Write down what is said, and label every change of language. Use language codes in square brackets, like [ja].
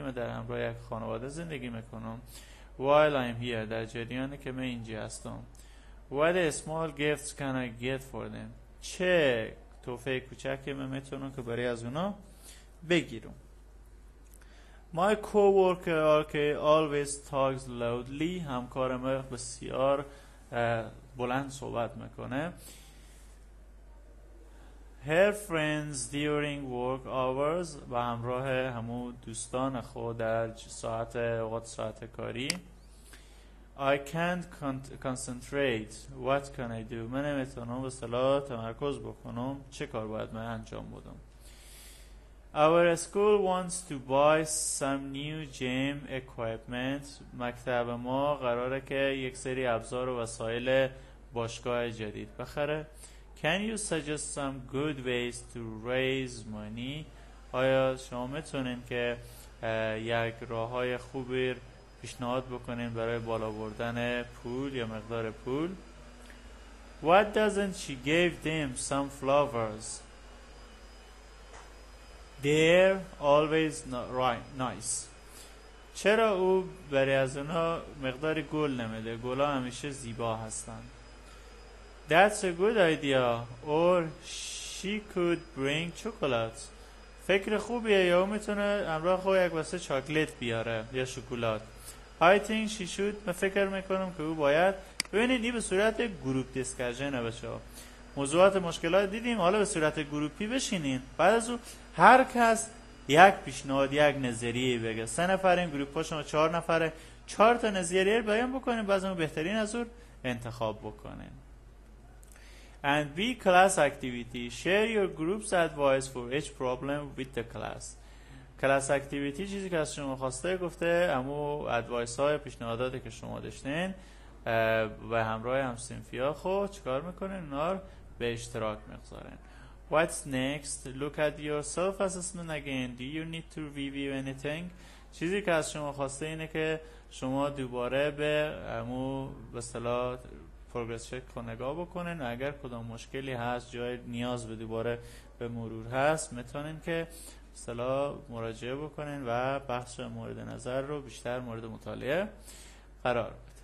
[fa] من در همراه یک خانواده زندگی میکنم. [en] While I'm here, [fa] در جریانی که من اینجا هستم. [en] What a small gifts can I get for them? [fa] چه تحفه کوچکی من میتونم که برای از اونا بگیرم؟ [en] My co-worker always talks loudly. [fa] همکار ما بسیار بلند صحبت میکنه. [en] Her friends during work hours [fa] و همراه همو دوستان خود در ساعت اوقات ساعت کاری. [en] I can't concentrate. What can I do? [fa] من نمیتونم به اصطلاح تمرکز بکنم. چه کار باید من انجام بدم؟ [en] Our school wants to buy some new gym equipment. [fa] مکتب ما قراره که یک سری ابزار و وسایل باشگاه جدید بخره. [en] Can you suggest some good ways to raise money? [fa] آیا شما میتونین که یک راه‌های خوبی پیشنهاد بکنین برای بالا بردن پول یا مقدار پول؟ [en] What doesn't she give them some flowers? They're always nice. [fa] چرا او برای از اونها مقدار گل نمیده؟ گلا همیشه زیبا هستن. [en] That's a good idea. Or she could bring chocolates. [fa] فکر خوبیه، یا او میتونه همراه خود یک بسته چاکلیت بیاره یا شکلات. [en] I think she should. [fa] من فکر میکنم که او باید. ببینید، این به صورت گروپ دیسکشن بچه ها موضوعات مشکلات دیدیم، حالا به صورت گروپی بشینین. بعد از او هر کس یک پیشنهاد، یک نظریه بگه. سه نفر این گروپ باشن و چهار نفره، چهار تا نظریه بیان بکنین، بعد از اون بهترین از اون انتخاب بکنین. [en] And be class activity. Share your group's advice for each problem with the class. [fa] کلاس اکتیویتی چیزی که از شما خواسته گفته، اما ادوایس های پیشنهاداتی که شما داشتین و همراه همسینفی ها خود چکار میکنین؟ اونا رو به اشتراک میگذارین. [en] What's next? Look at your self-assessment again. Do you need to review anything? [fa] چیزی که از شما خواسته اینه که شما دوباره به امو به اصطلاح پروگرس چک رو نگاه بکنین، و اگر کدام مشکلی هست، جای نیاز به دوباره به مرور هست، میتونین که سلا مراجعه بکنین و بحث مورد نظر رو بیشتر مورد مطالعه قرار بده.